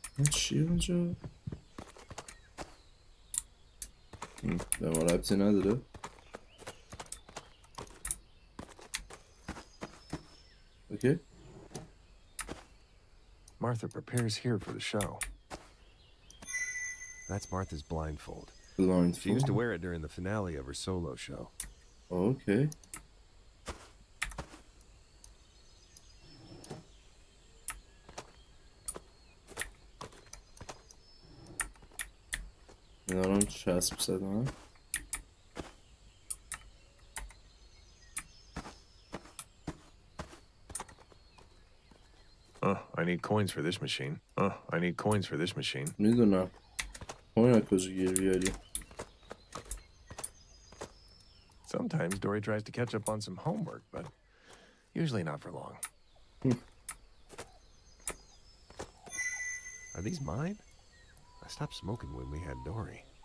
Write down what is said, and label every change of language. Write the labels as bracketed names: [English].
[Persian] چی اونجا؟ به ما ربطی نداره؟ اوکی؟ [English] Martha prepares here for the show. That's Martha's blindfold. Blindfold? She used to wear it during the finale of her solo show. Okay. [Persian] دارم چسب زدم. [English] I need coins for this machine. I need coins for this machine. [Persian] میدونم کوین ها کجا گیر بیاری. [English] Sometimes Dory tries to catch up on some homework, but usually not for long. Are these mine? I stopped smoking when we had Dory.